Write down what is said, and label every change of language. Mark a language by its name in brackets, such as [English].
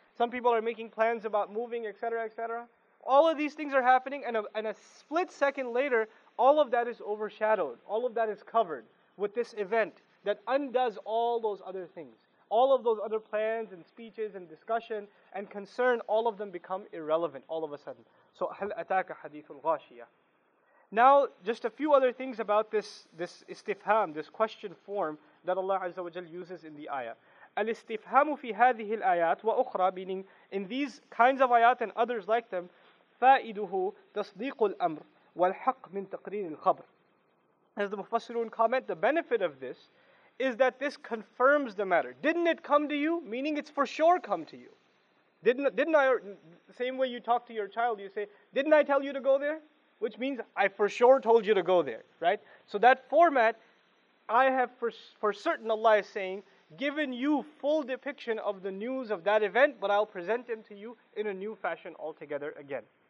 [English] Some people are making plans about moving, etc., etc. All of these things are happening, and a split second later, all of that is overshadowed. All of that is covered with this event that undoes all those other things. All of those other plans and speeches and discussion and concern, all of them become irrelevant all of a sudden. So, [Arabic] هَلْ أَتَاكَ حَدِيثُ الْغَاشِيَةِ. [English] Now, just a few other things about this istifham, this question form that Allah Azza wa Jal uses in the ayah. [Arabic] الْاِسْتِفْهَامُ فِي هَذِهِ الْآيَاتِ وَأُخْرَى, [English] meaning in these kinds of ayat and others like them, [Arabic] فَائِدُهُ تَصْدِيقُ الْأَمْرِ وَالْحَقْ مِنْ تَقْرِينِ الْخَبْرِ. [English] As the Mufassirun comment, the benefit of this is that this confirms the matter. Didn't it come to you? Meaning it's for sure come to you. Didn't I, same way you talk to your child, you say, didn't I tell you to go there? Which means I for sure told you to go there, right? So that format, I have for certain, Allah is saying, given you full depiction of the news of that event, but I'll present them to you in a new fashion altogether again.